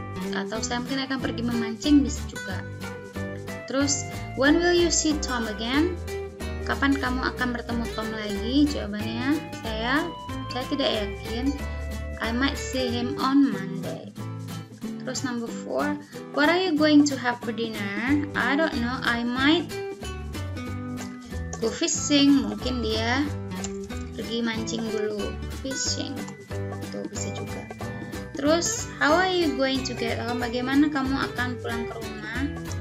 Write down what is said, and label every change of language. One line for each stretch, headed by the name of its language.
Indonesian: Atau saya mungkin akan pergi memancing, bisa juga. Terus,
English: when will you see Tom again?
Indonesian: Kapan kamu akan bertemu Tom lagi? Jawabannya, saya tidak yakin.
English: I might see him on Monday. Terus number 4. What are you going to have for dinner? I don't know. I might go fishing.
Indonesian: Mungkin dia pergi mancing dulu. Fishing. Itu bisa juga.
English: Terus, how are you going to get home?
Indonesian: Bagaimana kamu akan pulang ke rumah?